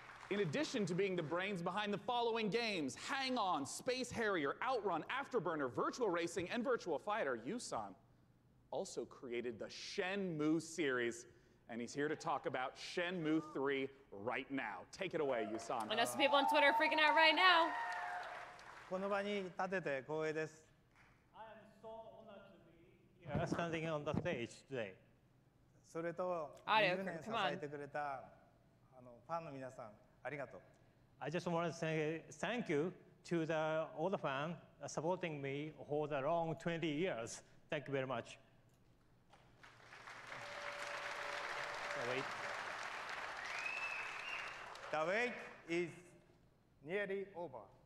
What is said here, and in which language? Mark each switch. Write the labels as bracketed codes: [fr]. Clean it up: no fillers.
[en] In addition to being the brains behind the following games, Hang On, Space Harrier, Outrun, Afterburner, Virtual Racing, and Virtual Fighter, Yu-san also created the Shenmue series, and he's here to talk about Shenmue 3 right now. Take it away, Yu-san. I know some people on Twitter are freaking out right now. [ja] この場に立てて光栄です。 [en] I am so honored to be here standing on the stage today. [ja] それと、20年支えてくれたあのファンの皆さん、ありがとう。 [en] I just want to say thank you to the, all the fans supporting me for the long 20 years. Thank you very much. The wait is nearly over.